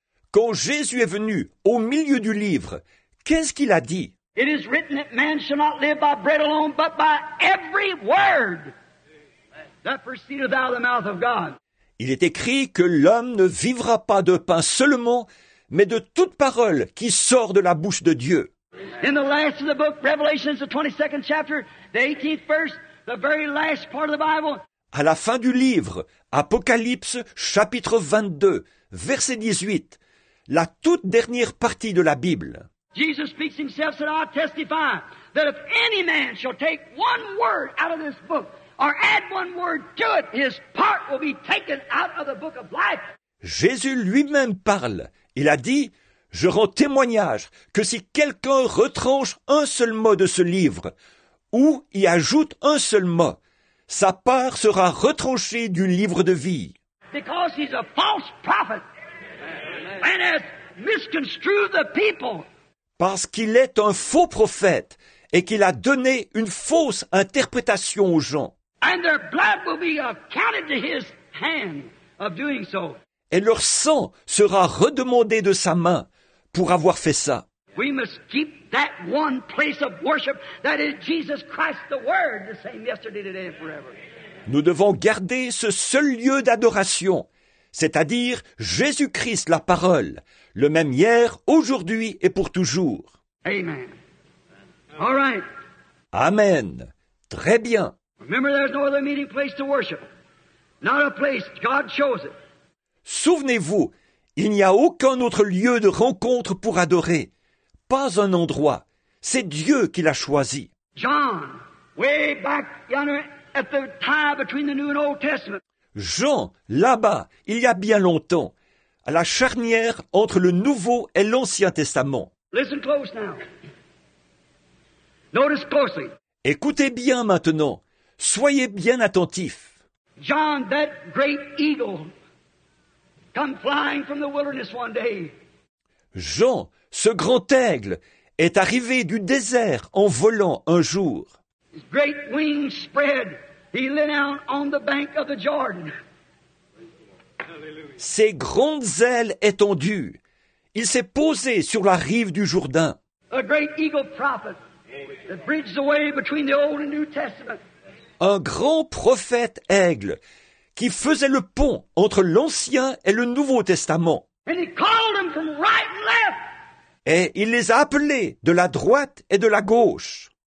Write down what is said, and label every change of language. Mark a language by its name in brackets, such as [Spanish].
[French] Quand Jésus est venu au milieu du livre, qu'est-ce qu'il a dit? [English] It is written that man shall not live by bread alone, but by every word that proceedeth out of the mouth of God. [French] Il est écrit que l'homme ne vivra pas de pain seulement, mais de toute parole qui sort de la bouche de Dieu. [English] In the last of the book, Revelation, the 22nd chapter, the 18th verse, the very last part of the Bible. [French] À la fin du livre, Apocalypse, chapitre 22, verset 18, la toute dernière partie de la Bible. [English] Jesus speaks himself, said, I testify that if any man shall take one word out of this book, or add one word to it, his part will be taken out of the book of life. [French] Jésus lui-même parle. Il a dit, je rends témoignage que si quelqu'un retranche un seul mot de ce livre ou y ajoute un seul mot, sa part sera retranchée du livre de vie. [English] Because he's a false prophet and has misconstrued the people. [French] Parce qu'il est un faux prophète et qu'il a donné une fausse interprétation aux gens. [English] And their blood will be accounted to his hand of doing so. [French] Et leur sang sera redemandé de sa main pour avoir fait ça. [English] We must keep that one place of worship that is Jesus Christ the Word, the same yesterday, today and forever. [French] Nous devons garder ce seul lieu d'adoration, c'est-à-dire Jésus-Christ la parole, le même hier, aujourd'hui et pour toujours. [English] Amen. All right. [French] Amen. Très bien. [English] Remember, there's no other meeting place to worship. Not a place God chose it. [French] Souvenez-vous, il n'y a aucun autre lieu de rencontre pour adorer. Pas un endroit. C'est Dieu qui l'a choisi. [English] John, way back yonder at the tie between the New and Old Testament. [French] Jean, là-bas, il y a bien longtemps, à la charnière entre le Nouveau et l'Ancien Testament. [English] Listen close now. Notice closely. [French] Écoutez bien maintenant. Soyez bien attentifs. [English] John, that great eagle. Come flying from the wilderness one day. [French] Jean, ce grand aigle, est arrivé du désert en volant un jour. [English] His great wings spread. He lay down on the bank of the Jordan. [French] Ses grandes ailes étendues. Il s'est posé sur la rive du Jourdain. [English] A great eagle prophet that bridged the way between the Old and New Testament. [French] Un grand prophète aigle qui faisait le pont entre l'Ancien et le Nouveau Testament. [English] And he called them from right and left. [French] Et il les a appelés de la droite et de la gauche.